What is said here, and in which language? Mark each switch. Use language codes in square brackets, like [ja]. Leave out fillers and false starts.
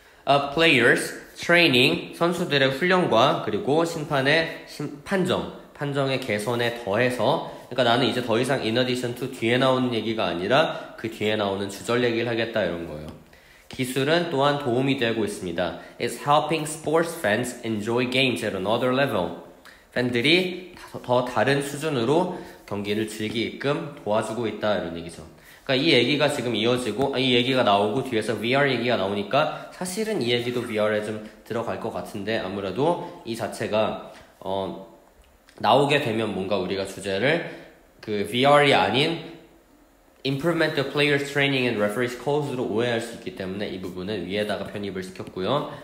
[en] A players, training, [ko] 선수들의 훈련과 그리고 심판의 판정의 개선에 더해서 그러니까 나는 이제 더 이상 in addition to 뒤에 나오는 얘기가 아니라 그 뒤에 나오는 주절 얘기를 하겠다 이런 거예요. 기술은 또한 도움이 되고 있습니다. [en] It's helping sports fans enjoy games at another level. [ko] 팬들이 더 다른 수준으로 경기를 즐기게끔 도와주고 있다 이런 얘기죠. 그러니까 이 얘기가 지금 이어지고 이 얘기가 나오고 뒤에서 VR 얘기가 나오니까 사실은 이 얘기도 VR에 좀 들어갈 것 같은데 아무래도 이 자체가 나오게 되면 뭔가 우리가 주제를 그 VR이 아닌 [en] Improvement of Players Training and Referees Course [ko] 로 오해할 수 있기 때문에 이 부분은 위에다가 편입을 시켰고요.